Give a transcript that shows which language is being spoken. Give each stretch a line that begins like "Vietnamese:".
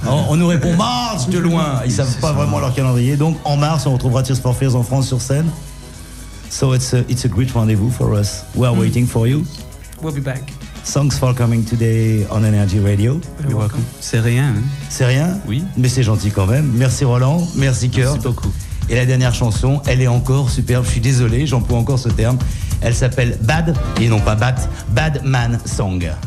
French: On nous répond mars de loin. Ils savent pas vraiment leur calendrier. Donc en mars, on retrouvera Tears for Fears en France sur scène.
English: So it's a great rendezvous for us. We are waiting for you. We'll be back. Thanks for coming today on Energy Radio. You're welcome.
French: C'est rien. Hein? C'est rien. Oui. Mais c'est gentil quand même. Merci Roland. Merci Kurt. Merci beaucoup. Et la dernière chanson, elle est encore superbe. Je suis désolé, j'emploie encore ce terme. Elle s'appelle Bad Man Song.